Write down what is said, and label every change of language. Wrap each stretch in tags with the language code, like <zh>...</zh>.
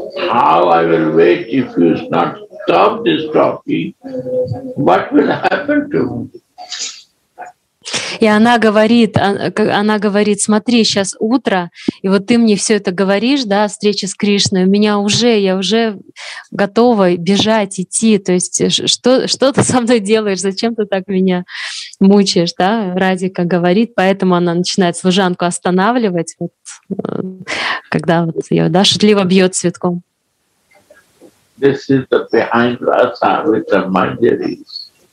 <en>How I will wait if you not stop this talking? What will happen to me?</en> <ru>И она говорит, смотри, сейчас утро, и вот ты мне все это говоришь, да, встреча с Кришной, у меня уже, я уже готова бежать, идти, то есть что ты со мной делаешь, зачем ты так меня мучаешь, да, Радика говорит, поэтому она начинает служанку останавливать, вот, когда вот ее, да, шутливо бьет цветком.</ru> <en>This is the behind rasa with the manjaris.</en>